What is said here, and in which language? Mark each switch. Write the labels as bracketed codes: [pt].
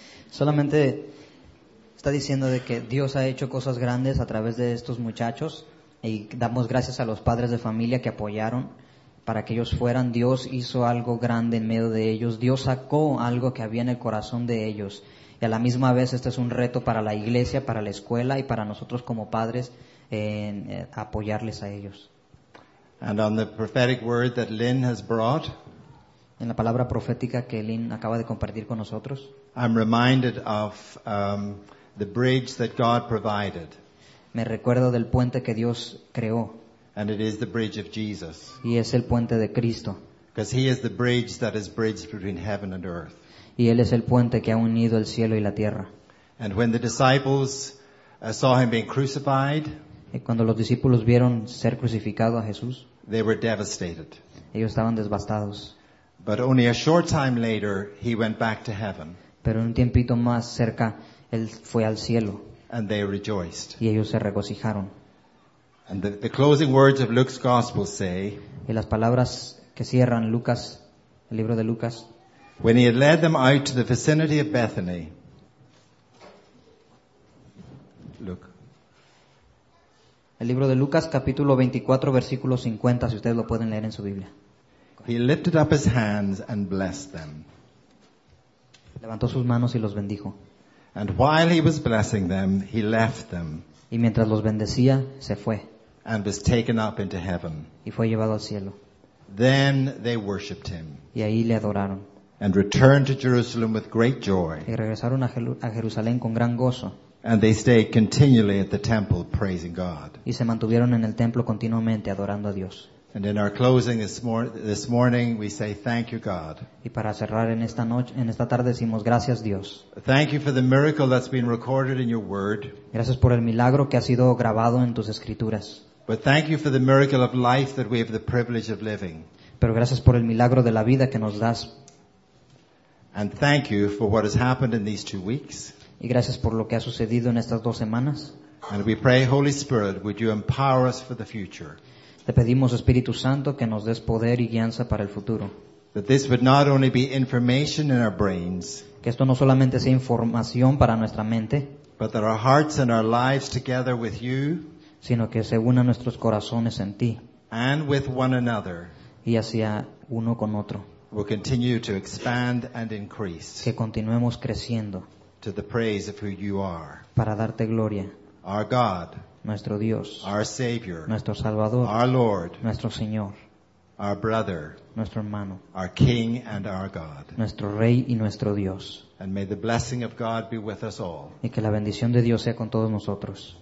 [es] Solamente está diciendo de que Dios ha hecho cosas grandes a través de estos muchachos, y damos gracias a los padres de familia que apoyaron para que ellos fueran. Dios hizo algo grande en medio de ellos. Dios sacó algo que había en el corazón de ellos. Y a la misma vez, este es un reto para la iglesia, para la escuela y para nosotros como padres en apoyarles a ellos. [en] And on the prophetic word that Lynn has brought, [es] en la palabra profética que Lynn acaba de compartir con nosotros, [en] I'm reminded of the bridge that God provided. [es] Me recuerdo del puente que Dios creó. [en] And it is the bridge of Jesus. [es] Y es el puente de Cristo. [en] Because he is the bridge that is bridged between heaven and earth. [es] Y él es el puente que ha unido el cielo y la tierra. [en] And when the disciples saw him being crucified, [es] y cuando los discípulos vieron ser crucificado a Jesús, [en] they were devastated. [es] Ellos estaban devastados. [en] But only a short time later, he went back to heaven. [es] Pero un tiempito más cerca, él fue al cielo. [en] And they rejoiced. [es] Y ellos se regocijaron. [en] And the closing words of Luke's gospel say, [es] y las palabras que cierran Lucas, el libro de Lucas, [en] when he had led them out to the vicinity of Bethany. Look. [es] El libro de Lucas, capítulo 24, versículo 50, si ustedes lo pueden leer en su Biblia. [en] He lifted up his hands and blessed them. [es] Levantó sus manos y los bendijo. [en] And while he was blessing them, he left them. [es] Y mientras los bendecía, se fue. [en] And was taken up into heaven. [es] Y fue llevado al cielo. [en] Then they worshipped him. [es] Y ahí le adoraron. [en] And returned to Jerusalem with great joy. [es] Y regresaron a Jerusalén con gran gozo. [en] And they stayed continually at the temple praising God. [es] Y se mantuvieron en el templo continuamente adorando a Dios. [en] And in our closing this morning, we say thank you, God. [es] Y para cerrar en esta noche, en esta tarde, decimos gracias, Dios. [en] Thank you for the miracle that's been recorded in your Word. [es] Gracias por el milagro que ha sido grabado en tus escrituras. [en] But thank you for the miracle of life that we have the privilege of living. [es] Pero gracias por el milagro de la vida que nos das. [en] And thank you for what has happened in these 2 weeks. [es] Y gracias por lo que ha sucedido en estas 2 semanas. [en] And we pray, Holy Spirit, would you empower us for the future? [es] Te pedimos, Espíritu Santo, que nos des poder y guianza para el futuro. [en] That this would not only be information in our brains, [es] que esto no solamente sea información para nuestra mente, [en] but that our hearts and our lives together with you, [es] sino que se unan nuestros corazones en ti, [en] and with one another, [es] y hacia uno con otro, [en] will continue to expand and increase, [es] que continuemos creciendo, [en] to the praise of who you are, [es] para darte gloria, [en] our God, [es] nuestro Dios, [en] our Savior, [es] nuestro Salvador, [en] our Lord, [es] nuestro Señor, [en] our brother, [es] nuestro hermano, [en] our King and our God, [es] nuestro Rey y nuestro Dios. [en] And may the blessing of God be with us all. [es] Y que la bendición de Dios sea con todos nosotros.